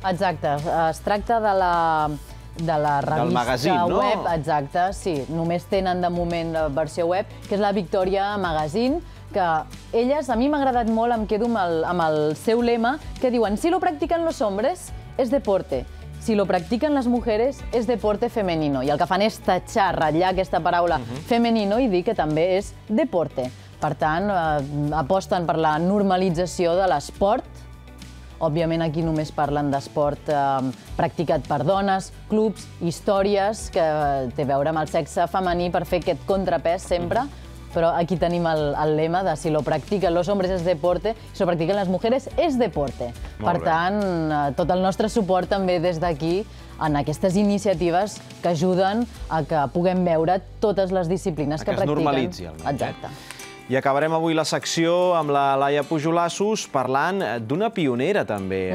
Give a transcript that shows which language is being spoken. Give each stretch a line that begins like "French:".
Catalan: Exacte, es tracta de la... De la revista del magazine, web, no? Exacte, sí. Només tenen de moment la versió web, que és la Victòria Magazine, que elles, a mi m'ha agradat molt, em quedo amb el seu lema, que diuen,
Spanish: si lo practican los hombres, es deporte. si lo practican las mujeres es deporte femenino.
Catalan: I el que fan és tachar, ratllar aquesta paraula femenino i dir que també és deporte. Per tant, aposten per la normalització de l'esport. Òbviament, aquí només parlen d'esport practicat per dones, clubs, històries, que té a veure amb el sexe femení per fer aquest contrapès sempre. Però aquí tenim el lema de
Spanish: si lo practican los hombres es deporte,
Catalan: si lo practican las mujeres es deporte. Per tant, tot el nostre suport també des d'aquí en aquestes iniciatives que ajuden a que puguem veure totes les disciplines que practiquen. Que es normalitzi, almenys. Exacte. I acabarem avui la secció amb la Laia Pujolassos parlant d'una pionera, també.